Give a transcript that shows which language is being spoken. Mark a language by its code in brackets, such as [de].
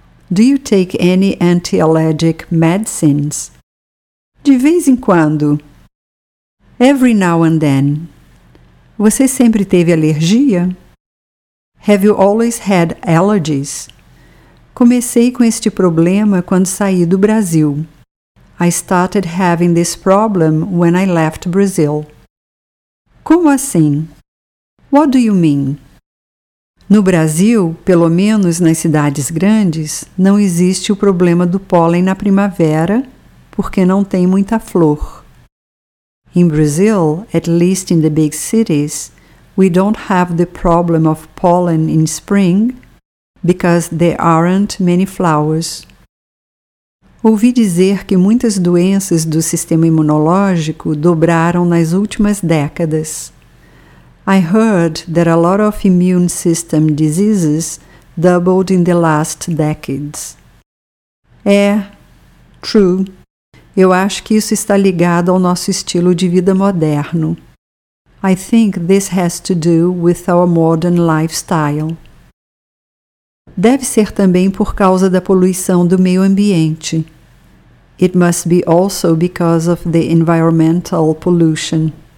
[en] Do you take any anti-allergic medicines? [pt] De vez em quando. [en] Every now and then. [pt] Você sempre teve alergia? [en] Have you always had allergies? [pt] Comecei com este problema quando saí do Brasil. [en] I started having this problem when I left Brazil. [pt] Como assim? [en] What do you mean? [pt] No Brasil, pelo menos nas cidades grandes, não existe o problema do pólen na primavera, porque não tem muita flor. [en] In Brazil, at least in the big cities, We don't have the problem of pollen in spring because there aren't many flowers. [pt] Ouvi dizer que muitas doenças do sistema imunológico dobraram nas últimas décadas. [en] I heard that a lot of immune system diseases doubled in the last decades. [pt] É, true. Eu acho que isso está ligado ao nosso estilo de vida moderno. [en] I think this has to do with our modern lifestyle. [pt] Deve ser também por causa da poluição do meio ambiente. [en] It must be also because of the environmental pollution.